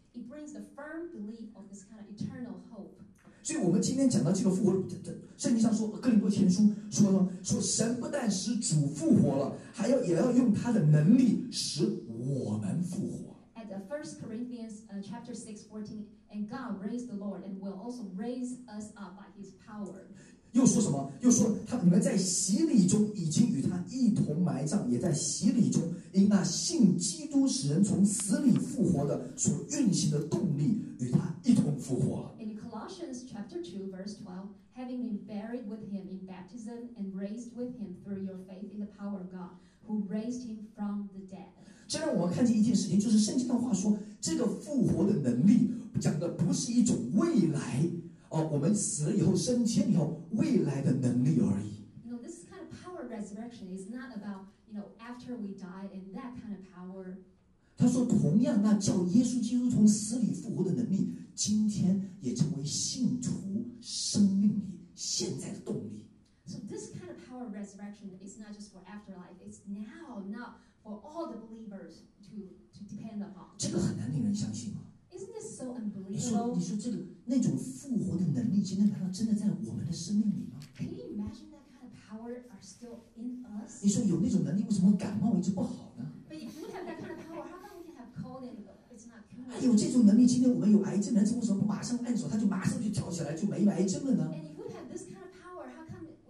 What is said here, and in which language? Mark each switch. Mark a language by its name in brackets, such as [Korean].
[English] It brings the firm belief of this kind of eternal hope. [Chinese] 所以我们今天讲到这个复活，圣经上说，哥林多前书说了，说神不但使主复活了，还要也要用他的能力使我们复活。 [English] At the First Corinthians chapter 6:14, and God raised the Lord and will also raise us up by His power. [Chinese] 又说什么？又说他你们在洗礼中已经与他一同埋葬，也在洗礼中因那信基督使人从死里复活的所运行的动力与他一同复活了。 [English] In Colossians chapter 2:12, having been buried with him in baptism and raised with him through your faith in the power of God. Who raised him from the dead? [Chinese] 这让我们看见一件事情，就是圣经的话说，这个复活的能力讲的不是一种未来，我们死了以后升天以后未来的能力而已。 [English] You know, this kind of power resurrection is not about you know after we die and that kind of power. [Chinese] 他说，同样，那叫耶稣基督从死里复活的能力，今天也成为信徒生命里现在的动力。 [English] So this kind of power resurrection is not just for afterlife; it's now, not for all the believers to depend upon. [Chinese] 这个很难令人相信啊。 [English] Isn't this so unbelievable? [Chinese] 你说这个那种复活的能力，今天难道真的在我们的生命里吗 [English] ？Can you imagine that kind of power are still in us? [Chinese] 你说有那种能力，为什么感冒一直不好呢 [English] ？But if we have that kind of power, how come we can have cold and it's not cured? [Chinese] 还有这种能力，今天我们有癌症，人为什么不马上按手，他就马上就跳起来，就没癌症了呢 [English] ？And if we have this kind of power, how come?